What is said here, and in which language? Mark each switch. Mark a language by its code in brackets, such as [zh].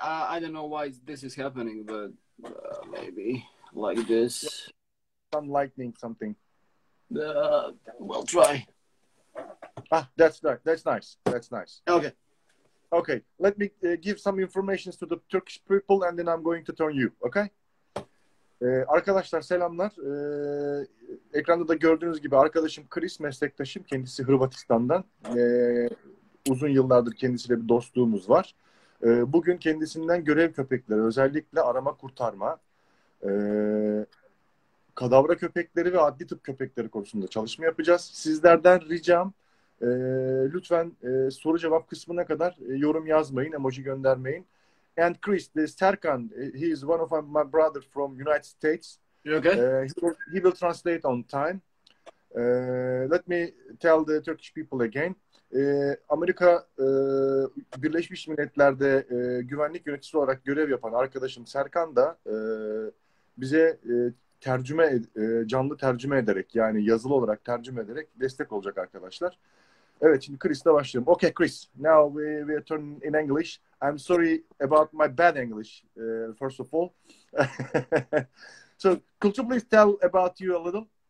[en] I don't know why this is happening, but maybe like this. Some lightning, something. We'll try. Ah, that's nice. That's nice. That's nice. Okay. Okay, let me give some information to the Turkish people and then I'm going to turn you, okay? [tr] Arkadaşlar selamlar. Ekranda da gördüğünüz gibi arkadaşım CHRİS, meslektaşım. Kendisi Hırvatistan'dan. Uzun yıllardır kendisiyle bir dostluğumuz var. Bugün kendisinden görev köpekleri, özellikle arama kurtarma, kadavra köpekleri ve adli tıp köpekleri konusunda çalışma yapacağız. Sizlerden ricam. Lütfen soru cevap kısmına kadar yorum yazmayın, emoji göndermeyin. [en] And CHRİS, Serkan, he is one of my brother from United States. You okay? He will translate on time. Let me tell the Turkish people again. [tr] Amerika Birleşmiş Milletler'de güvenlik yöneticisi olarak görev yapan arkadaşım Serkan da bize tercüme, canlı tercüme ederek, yani yazılı olarak tercüme ederek destek olacak arkadaşlar. Evet, şimdi CHRİS'le başlayalım. [en] Okay, CHRİS. Now we are turning in English. I'm sorry about my bad English, first of all. So, could you please tell about you a little?